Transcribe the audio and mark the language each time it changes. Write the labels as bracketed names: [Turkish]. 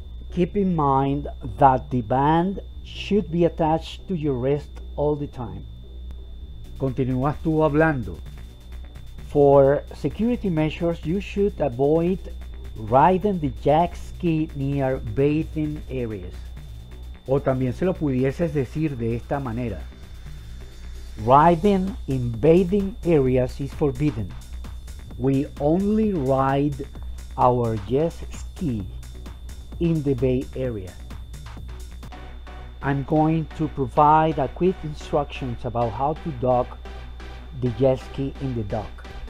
[English] Keep in mind that the band should be attached to your wrist all the time. [Spanish] Continúas tú hablando. [English] For security measures, you should avoid riding the jet ski near bathing areas. [Spanish] O también se lo pudieses decir de esta manera. [English] Riding in bathing areas is forbidden. We only ride our jet ski in the bay area. I'm going to provide a quick instructions about how to dock the jet ski in the dock.